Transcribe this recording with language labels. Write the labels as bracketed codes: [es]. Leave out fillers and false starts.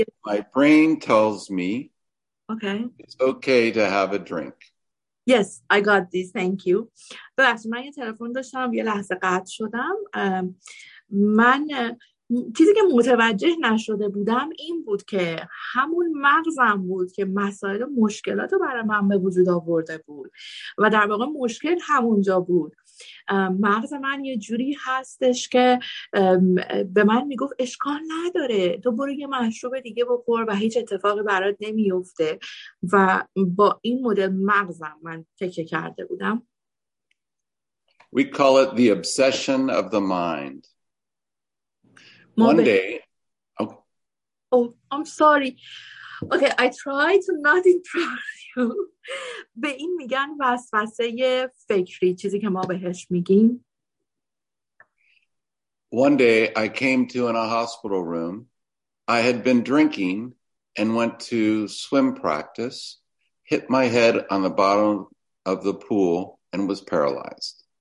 [en] My brain tells me it's okay to have a drink. Yes, I got this. Thank you. [fa] ببخشید من یه تلفن داشتم یه لحظه قطع شدم. من چیزی که متوجه نشده بودم این بود که همون مغزم بود که مسائل و مشکلات رو برای من به وجود آورده بود و در واقع مشکل همونجا بود. مغز من یه جوری هستش که به من میگفت اشکال نداره، تو برو یه مشروب دیگه بخور و هیچ اتفاقی برات نمیفته و با این مدل مغزم من تکه کرده بودم. [en] We call it the obsession of the mind. One day, I'm sorry. Okay, I try to not interrupt you. [fa] به این میگن وسوسه فکری، چیزی که ما بهش میگیم. [en] One day, I came to in a hospital room. I had been drinking and went to swim practice, hit my head on the bottom of the pool and was paralyzed.